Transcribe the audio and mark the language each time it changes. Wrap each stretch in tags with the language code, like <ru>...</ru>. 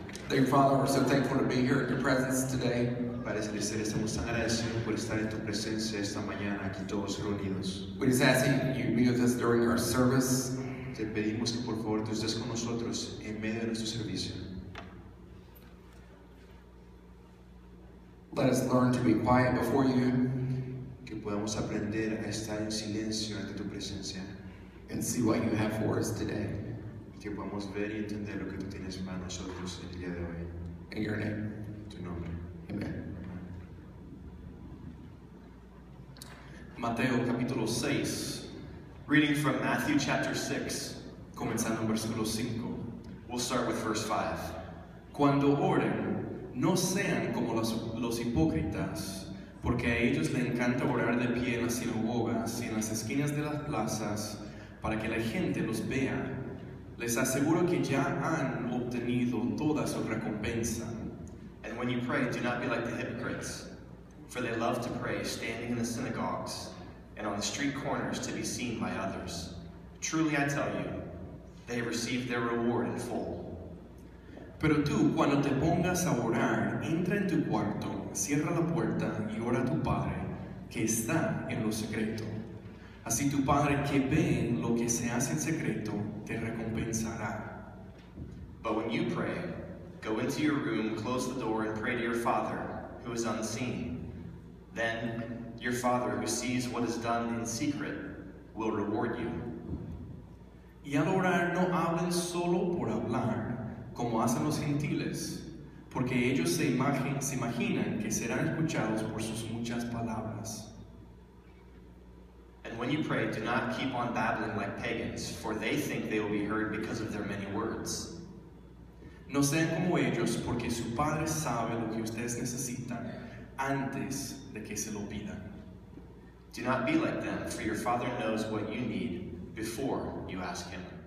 <en>Dear Father, we're so thankful to be here in your presence today.</en> <es>Padre Celestial, estamos tan agradecidos por estar en tu presencia esta mañana aquí todos reunidos.</es> <en>We just ask that you be with us during our service.</en> <es>Te pedimos que por favor tú estés con nosotros en medio de nuestro servicio.</es> <en>Let us learn to be quiet before you.</en> <es>Que podamos aprender a estar en silencio ante tu presencia.</es> <en>And see what you have for us today.</en> <es>Que podamos ver y entender lo que tú tienes para nosotros el día de hoy.</es> <en>In your name.</en> <es>Tu nombre.</es> <en>Amen.</en> <es>Mateo capítulo 6.</es> <en>Reading from Matthew chapter 6.</en> <es>Comenzando en versículo 5.</es> <en>We'll start with verse 5.</en> <es>Cuando oren, no sean como los hipócritas, porque a ellos les encanta orar de pie en las sinagogas y en las esquinas de las plazas para que la gente los vea. Les aseguro que ya han obtenido toda su recompensa.</es> <en>And when you pray, do not be like the hypocrites, for they love to pray standing in the synagogues and on the street corners to be seen by others. Truly I tell you, they have received their reward in full.</en> <es>Pero tú, cuando te pongas a orar, entra en tu cuarto, cierra la puerta y ora a tu Padre, que está en lo secreto. Así tu Padre que ve lo que se hace en secreto, te recompensará.</es> <en>But when you pray, go into your room, close the door, and pray to your Father, who is unseen. Then your Father, who sees what is done in secret, will reward you.</en> <es>Y al orar, no hablen solo por hablar, como hacen los gentiles, porque ellos se imaginan que serán escuchados por sus muchas palabras.</es> <en>And when you pray, do not keep on babbling like pagans, for they think they will be heard because of their many words.</en> <es>No sean como ellos, porque su Padre sabe lo que ustedes necesitan antes de que se lo pidan.</es> <en>Do not be like them, for your Father knows what you need before you ask him.</en>